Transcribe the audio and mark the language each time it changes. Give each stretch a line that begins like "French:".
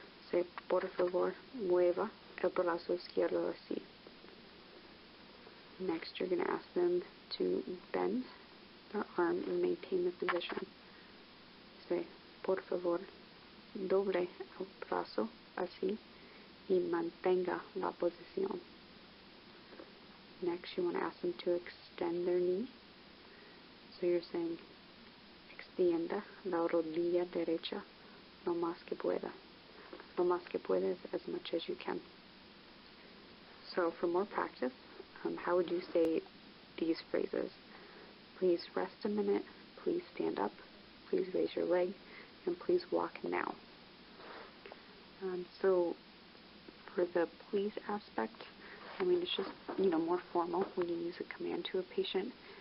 Spanish: Say, por favor, mueva el brazo izquierdo así.
English: Next, you're going to ask them to bend their arm and maintain the position.
Spanish: Say, por favor, doble el brazo así y mantenga la posición.
English: Next, you want to ask them to extend their knee. So you're saying,
Spanish: extienda la rodilla derecha lo más que pueda. Lo más que puedes,
English: as much as you can. So for more practice, how would you say these phrases? Please rest a minute, please stand up, please raise your leg, and please walk now. So for the please aspect, I mean, it's just, you know, more formal when you use a command to a patient.